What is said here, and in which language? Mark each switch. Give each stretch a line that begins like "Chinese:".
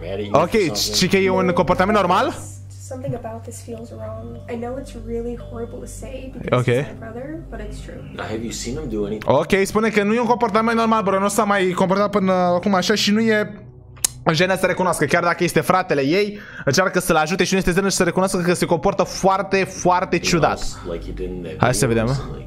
Romanian: Ok, și că e un comportament normal?
English: Something about this feels wrong. I know it's really horrible to say because okay. It's my brother, but it's true. Have you seen him do anything?
Romanian: Ok, spune că nu e un comportament normal, bro. Nu s-a mai comportat până acum așa și nu e... În jenă să recunoască, chiar dacă este fratele ei, încearcă să-l ajute și nu este zilnic să recunoască că se comportă foarte, foarte ciudat. Hai să vedem.